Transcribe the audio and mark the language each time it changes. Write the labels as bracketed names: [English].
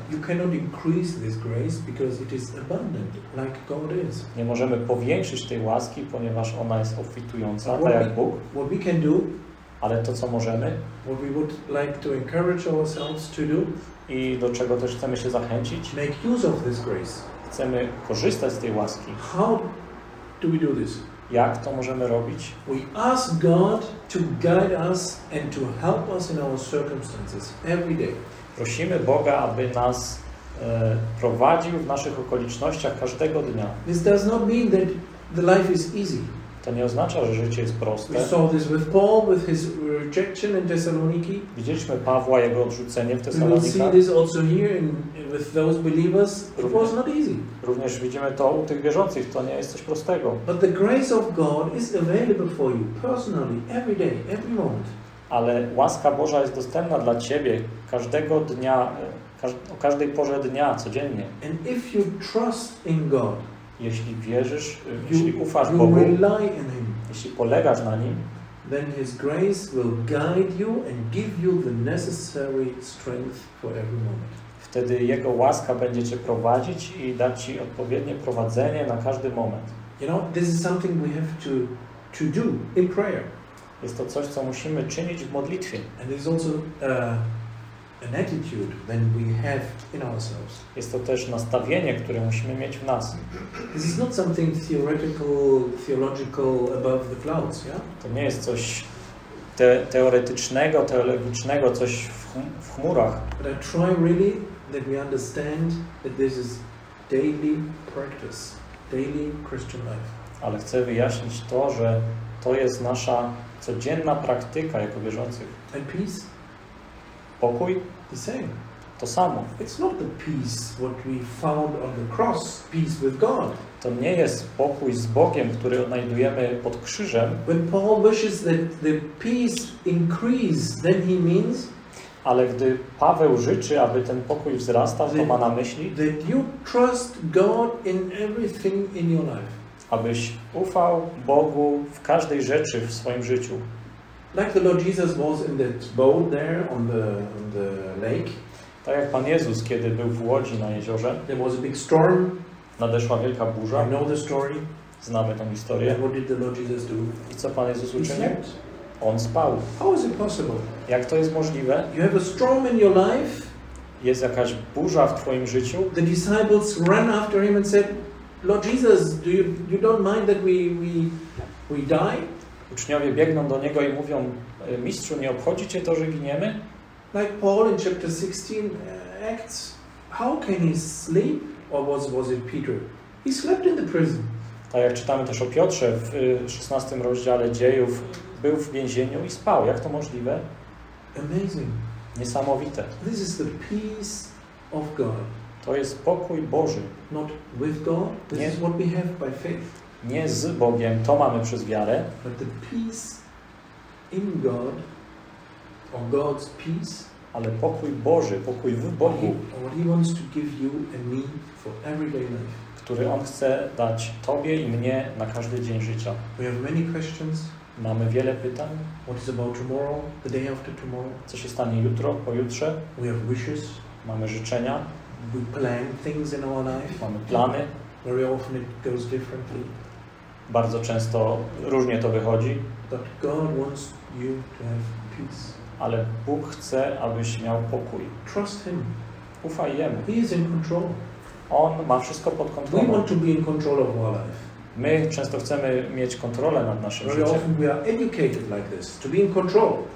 [English] You cannot increase this grace because it is abundant, like God is. [Polish] Nie możemy powiększyć tej łaski, ponieważ ona jest obfitująca, tak jak Bóg. [English] What we can do, [Polish] ale to co możemy, [English] what we would like to encourage ourselves to do, [Polish] i do czego też chcemy się zachęcić, [English] make use of this grace. [Polish] Chcemy korzystać z tej łaski. [English] How do we do this? [Polish] Jak to możemy robić? [English] We ask God to guide us and to help us in our circumstances every day. [Polish] Prosimy Boga, aby nas prowadził w naszych okolicznościach każdego dnia. [English] This does not mean that the life is easy. [Polish] To nie oznacza, że życie jest proste. [English] We saw this with Paul, with his rejection in Thessaloniki. [Polish] Widzieliśmy Pawła, jego odrzucenie w Thessalonikach. [English] We see this also here in, with those believers. It was not easy. [Polish] Również widzimy to u tych wierzących. To nie jest coś prostego. [English] But the grace of God is available for you personally, every day, every moment. [Polish] Ale łaska Boża jest dostępna dla ciebie każdego dnia, o każdej porze dnia, codziennie. [English] And if you trust in God, [Polish] jeśli wierzysz, jeśli ufasz Bogu, [English] him, [Polish] jeśli polegasz na Nim, [English] then his grace will guide you and give you the necessary strength for every moment. [Polish] Wtedy Jego łaska będzie cię prowadzić i dać ci odpowiednie prowadzenie na każdy moment. [English] You know, this is something we have to do in prayer. [Polish] Jest to coś, co musimy czynić w modlitwie. [English] And it's also an attitude that we have in ourselves. [Polish] Jest to też nastawienie, które musimy mieć w nas. [English] This is not something theoretical, theological above the clouds, yeah? [Polish] To nie jest coś teoretycznego, teologicznego, coś w chmurach. [English] But I try really that we understand that this is daily practice, daily Christian life. [Polish] Ale chcę wyjaśnić to, że to jest nasza codzienna praktyka jako wierzących. [English] And peace? [Polish] Pokój? [English] The same. [Polish] To samo. [English] It's not the peace what we found on the cross, peace with God. [Polish] To nie jest pokój z Bogiem, który odnajdujemy pod krzyżem. [English] When Paul wishes that the peace increase, then he means. [Polish] Ale gdy Paweł życzy, aby ten pokój wzrastał, to ma na myśli. [English] That you trust God in everything in your life. [Polish] Abyś ufał Bogu w każdej rzeczy w swoim życiu. [English] Like the Lord Jesus was in that boat there on the lake. [Polish] Tak jak Pan Jezus, kiedy był w łodzi na jeziorze. [English] There was a big storm. [Polish] Nadeszła wielka burza. [English] I know the story. [Polish] Znamy tę historię. [English] And what did the Lord Jesus do? [Polish] I co Pan Jezus uczynił? [English] He slept. [Polish] On spał. [English] How is it possible? [Polish] Jak to jest możliwe? [English] You have a storm in your life. [Polish] Jest jakaś burza w twoim życiu. [English] The disciples ran after him and said, Lord Jesus, do you don't mind that we die? [Polish] Uczniowie biegną do niego i mówią: Mistrzu, nie obchodzi cię to, że giniemy? [English] Like Paul in chapter 16 Acts, how can he sleep? Or was it Peter? He slept in the prison. [Polish] Tak jak czytamy też o Piotrze w 16 rozdziale Dziejów, był w więzieniu i spał. Jak to możliwe? [English] Amazing. [Polish] Niesamowite. [English] This is the peace of God. [Polish] To jest pokój Boży. [English] Not with God. This is what we have by faith. [Polish] Nie z Bogiem, to mamy przez wiarę. [English] But the peace in God, or God's peace. [Polish] Ale pokój Boży, pokój w Bogu. [English] What He wants to give you and me for everyday life. [Polish] Który On chce dać Tobie i mnie na każdy dzień życia. [English] We have many questions. [Polish] Mamy wiele pytań. [English] What is about tomorrow, the day after tomorrow? [Polish] Co się stanie jutro, pojutrze? [English] We have wishes. [Polish] Mamy życzenia. [English] We plan things in our life. [Polish] Mamy plany. [English] Very often it goes differently. [Polish] Bardzo często różnie to wychodzi. [English] But God wants you to have peace. [Polish] Ale Bóg chce, abyś miał pokój. [English] Trust Him. [Polish] Ufaj Jemu. [English] He is in control. [Polish] On ma wszystko pod kontrolą. [English] We want to be in control of our life. [Polish] My często chcemy mieć kontrolę nad naszym życiem. [English] Very often we are educated like this, to be in control.